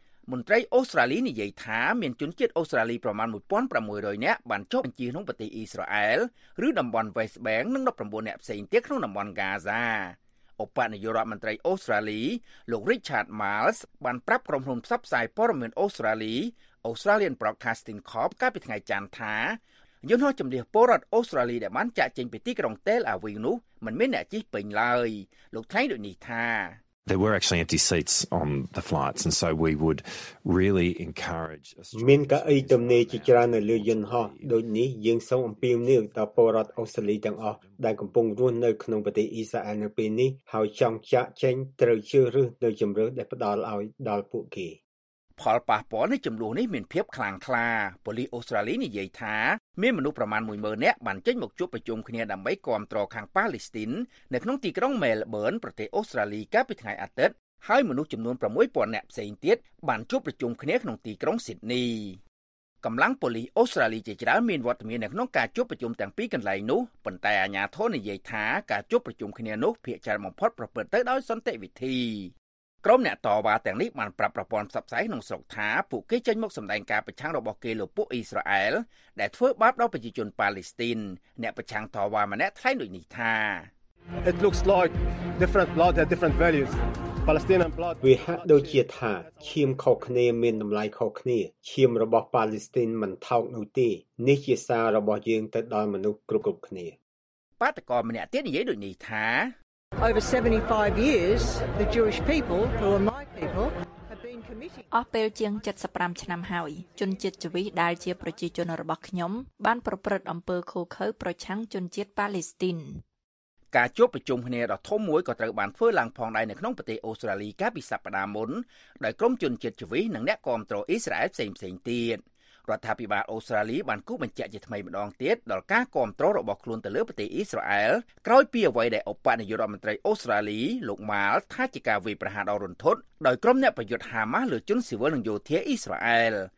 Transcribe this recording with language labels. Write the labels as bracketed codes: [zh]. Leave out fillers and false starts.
[km] មន្ត្រីអូស្ត្រាលីនិយាយថាមានជនជាតិអូស្ត្រាលីប្រមាណ 1,600 នាក់បានចុះបញ្ជីក្នុងប្រទេសអ៊ីស្រាអែលឬតំបន់ West Bank និង19នាក់ផ្សេងទៀតក្នុងតំបន់កាហ្សាអបនយោរដ្ឋមន្ត្រីអូស្ត្រាលីលោក Richard Miles បានប្រាប់ក្រុមហ៊ុនផ្សព្វផ្សាយព័ត៌មានអូស្ត្រាលី Australian Broadcasting Corp កាលពីថ្ងៃច័ន្ទថាយន្តហោះជំនះពលរដ្ឋអូស្ត្រាលីដែលបានចាក់ចេញពីទីក្រុង Tel Aviv នោះមិនមានអ្នកជិះពេញឡើយលោកថ្លែងដូចនេះថា [en] There were actually empty seats on the flights and so we would really encourage [km] មានកាអីទំនេរជាច្រើននៅលើយន្តហោះដូចនេះយើងសូមអំពាវនាវដល់ពលរដ្ឋអូស្ត្រាលីទាំងអស់ដែលកំពុងរស់នៅក្នុងប្រទេសអ៊ីសរ៉ាអែលនៅពេលនេះហើយចង់ចាក់ចេញត្រូវជឿឫសនៅជំរឿនដែលផ្ដល់ឲ្យដល់ពួកគេ ផលប៉ះពាល់នៃចំនួននេះមានភាពខ្លាំងក្លាប៉ូលីសអូស្ត្រាលីនិយាយថាមានមនុស្សប្រមាណ 10,000 នាក់បានចេញមកជួបប្រជុំគ្នាដើម្បីគាំទ្រខាងប៉ាឡេស្ទីននៅក្នុងទីក្រុងមែលប៊នប្រទេសអូស្ត្រាលីកាលពីថ្ងៃអាទិត្យហើយមនុស្សចំនួន 6,000 នាក់ផ្សេងទៀតបានជួបប្រជុំគ្នាក្នុងទីក្រុងស៊ីដនី កម្លាំងប៉ូលីសអូស្ត្រាលីជាច្រើនមានវត្តមាននៅក្នុងការជួបប្រជុំទាំងពីរកន្លែងនោះប៉ុន្តែអាជ្ញាធរនិយាយថាការជួបប្រជុំគ្នានោះភាគច្រើនបំផុតប្រព្រឹត្តទៅដោយសន្តិវិធីក្រុមអ្នកតវ៉ាទាំងនេះបានប្រាប់ប្រព័ន្ធផ្សព្វផ្សាយក្នុងស្រុកថាពួកគេចេញមកសម្ដែងការប្រឆាំងរបស់គេលើពួកអ៊ីស្រាអែលដែលធ្វើបាបដល់ប្រជាជនប៉ាឡេស្ទីនអ្នកប្រឆាំងតវ៉ាម្នាក់ថ្លែងដូចនេះថា [en] It looks like different blood has different values Palestinian blood [km] វាហាក់ដូចជាថាឈាមខុសគ្នាមានតម្លៃខុសគ្នាឈាមរបស់ប៉ាឡេស្ទីនមិនថោកនោះទេនេះជាសាររបស់យើងទៅដល់មនុស្សគ្រប់គ្រប់គ្នា បាតុករម្នាក់ទៀតនិយាយដូចនេះថា [en] Over 75 years the Jewish people who are my people have been committing [km] អស់ពេលជាង75ឆ្នាំហើយជនជាតិជេវីដែលជាប្រជាជនរបស់ខ្ញុំបានប្រព្រឹត្តអំពើឃោរឃៅប្រឆាំងជនជាតិប៉ាឡេស្ទីន ការជួបប្រជុំគ្នាដ៏ធំមួយក៏ត្រូវបានធ្វើឡើងផងដែរនៅក្នុងប្រទេសអូស្ត្រាលីកាលពីសប្តាហ៍មុនដោយក្រុមជនជាតិជេវីនិងអ្នកគាំទ្រអ៊ីស្រាអែលផ្សេងៗទៀតរដ្ឋាភិបាលអូស្ត្រាលីបានគូបញ្ជាក់ជាថ្មីម្ដងទៀតដល់ការគាំទ្ររបស់ខ្លួនទៅលើប្រទេសអ៊ីស្រាអែលក្រោយពីអ្វីដែលឧបនាយករដ្ឋមន្ត្រីអូស្ត្រាលីលោកម៉ាលថាជាការវាយប្រហារដ៏រន្ធត់ដោយក្រុមអ្នកប្រយុទ្ធហាម៉ាស់លើជនស៊ីវិលនិងយោធាអ៊ីស្រាអែល